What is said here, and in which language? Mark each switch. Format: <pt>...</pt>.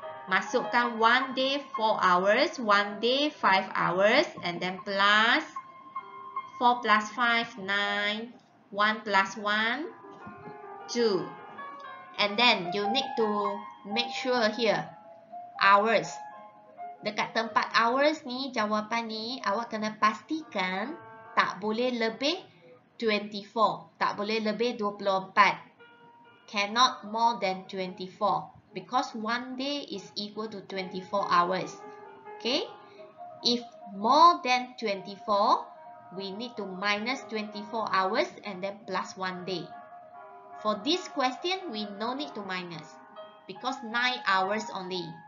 <ms>masukkan</ms> <en>1 day 4 hours, 1 day 5 hours and then plus 4 plus 5, 9, 1 plus 1, 2. And then you need to make sure here, hours.</en> <ms>Dekat tempat hours ni, jawapan ni, awak kena pastikan tak boleh lebih 24. Tak boleh lebih 24.</ms> <en>Cannot more than 24. Because one day is equal to 24 hours. Okay? If more than 24, we need to minus 24 hours and then plus one day. For this question, we no need to minus. Because 9 hours only.</en>